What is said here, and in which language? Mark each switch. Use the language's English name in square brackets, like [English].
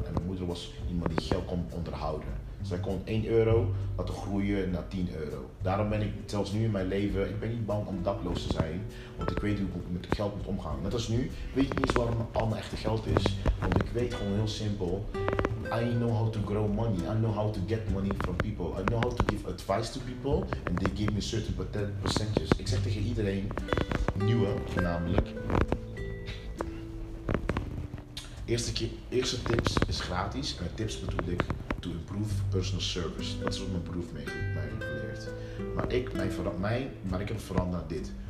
[Dutch] En mijn moeder was iemand die geld kon onderhouden. Zij kon 1 euro laten groeien naar 10 euro. Daarom ben ik zelfs nu in mijn leven, ik ben niet bang om dakloos te zijn. Want ik weet hoe ik met geld moet omgaan. Net als nu, weet ik niet eens waarom al mijn echte geld is. Want ik weet gewoon heel simpel. [English] I know how to grow money. I know how to get money from people. I know how to give advice to people. And they give me certain percentages. [Dutch] Ik zeg tegen iedereen, nieuwe voornamelijk. Eerste tips is gratis. En met tips bedoel ik... [English] To improve personal service. [Dutch] Dat is wat mijn proef mij geleerd. Maar ik heb veranderd naar dit.